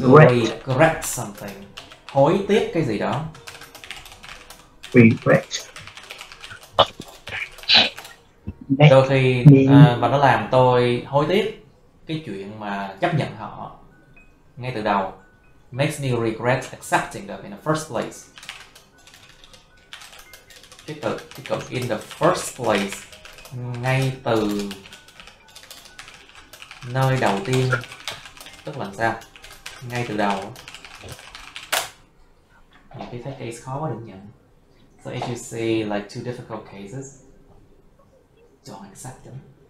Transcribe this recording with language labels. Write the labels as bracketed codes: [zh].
[en] To regret something. [vi] Hối tiếc cái gì đó. [en] Regret. [vi] Đôi khi mà nó làm tôi hối tiếc cái chuyện mà chấp nhận họ ngay từ đầu. [en] Makes me regret accepting them in the first place. [vi] Cái cụ [en] in the first place, [vi] ngay từ nơi đầu tiên, tức là sao? Ngay từ đầu. Yeah, cái case khó quá đừng nhận. [en] So as you see, like two difficult cases, don't accept them.